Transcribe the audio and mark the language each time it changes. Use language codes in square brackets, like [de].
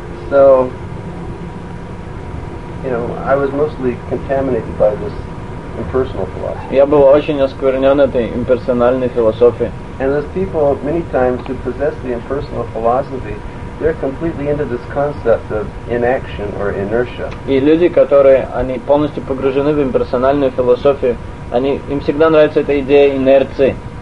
[en] So, you know, I was mostly contaminated by this impersonal philosophy. [ru] Я был очень осквернен этой имперсональной философией. [en] And those people, many times, who possess the impersonal philosophy, they're completely into this concept of inaction or inertia. [ru] И люди, которые они полностью погружены в имперсональную философию, они им всегда нравится эта идея инерции.